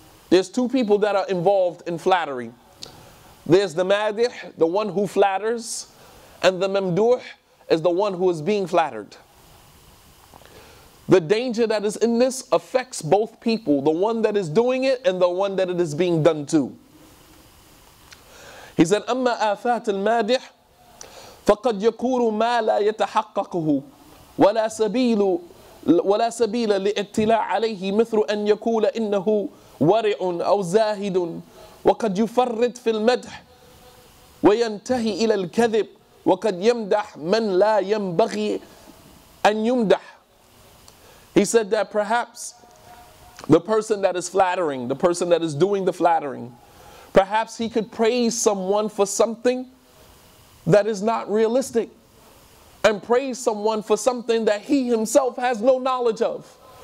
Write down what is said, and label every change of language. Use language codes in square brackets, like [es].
[en] There's two people that are involved in flattery. There's the madih, the one who flatters, and the mamduh is the one who is being flattered. The danger that is in this affects both people, the one that is doing it and the one that it is being done to. [ar] He said, أَمَّا آفَاتِ الْمَادِحِ فَقَدْ يَكُورُ مَا لَا يَتَحَقَّقُهُ وَلَا سَبِيلُ ولا سبيل للاطلاع عليه مثل ان يقول انه ورع او زاهد وقد يفرط في المدح وينتهي إلى الكذب وقد يمدح من لا ينبغي أن يمدح. [en] He said that perhaps the person that is flattering, the person that is doing the flattering, perhaps he could praise someone for something that is not realistic, and praise someone for something that he himself has no knowledge of.